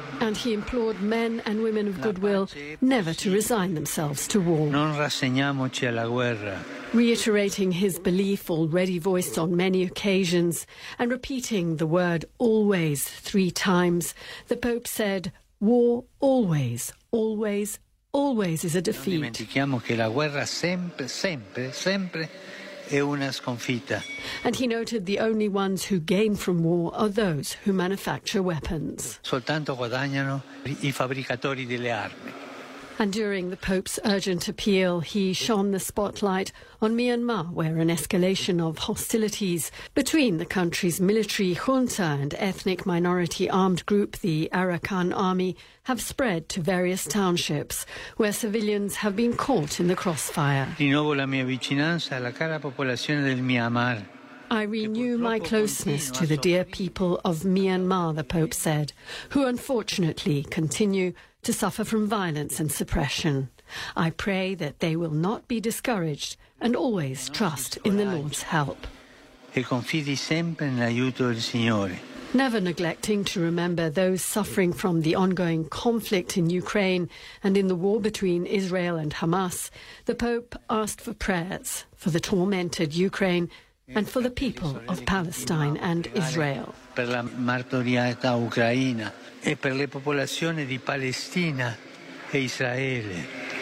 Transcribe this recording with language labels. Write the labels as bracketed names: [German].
[English] And he implored men and women of goodwill never to resign themselves to war. [Italian] Non rassegniamoci alla guerra. [English] Reiterating his belief already voiced on many occasions and repeating the word always three times, the Pope said, war always, always, always is a defeat. [Italian] Non dimentichiamo che la guerra sempre, sempre, sempre è una sconfitta. [English] And he noted the only ones who gain from war are those who manufacture weapons. [Italian] Soltanto guadagnano I fabbricatori delle armi. [English] And during the Pope's urgent appeal, he shone the spotlight on Myanmar, where an escalation of hostilities between the country's military junta and ethnic minority armed group, the Arakan Army, have spread to various townships, where civilians have been caught in the crossfire. [Italian] Rinnovo la mia vicinanza alla cara popolazione del Myanmar. [English] I renew my closeness to the dear people of Myanmar, the Pope said, who unfortunately continue to suffer from violence and suppression. I pray that they will not be discouraged and always trust in the Lord's help. [Italian] E confidi sempre nell'aiuto del Signore. [English] Never neglecting to remember those suffering from the ongoing conflict in Ukraine and in the war between Israel and Hamas, the Pope asked for prayers for the tormented Ukraine and for the people of Palestine and Israel. [Italian] Per la martoriata Ucraina e per le popolazioni di Palestina e Israele.